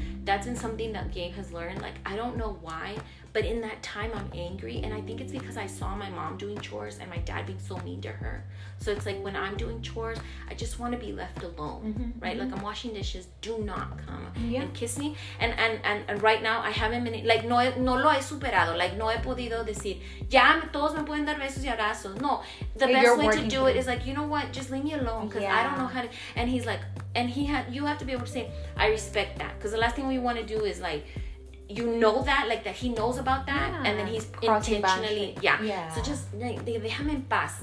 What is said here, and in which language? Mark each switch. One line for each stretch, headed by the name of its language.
English: That's been something that Gabe has learned. Like, I don't know why, but in that time I'm angry, and I think it's because I saw my mom doing chores and my dad being so mean to her. So it's like, when I'm doing chores, I just want to be left alone. Mm-hmm, right? Mm-hmm. Like, I'm washing dishes, do not come and kiss me. And right now I haven't been, like,
Spanish: no lo he superado. Like, no he podido decir, ya todos me pueden dar besos y abrazos.
English: No, the best You're way to do it is like, you know what, just leave me alone, because I don't know how to. And he's like, you have to be able to say, I respect that. Because the last thing we want to do is, like, you know that, like, that he knows about that. Yeah. And then he's crossing intentionally. Boundaries. Yeah. So just, like,
Spanish: déjame en paz.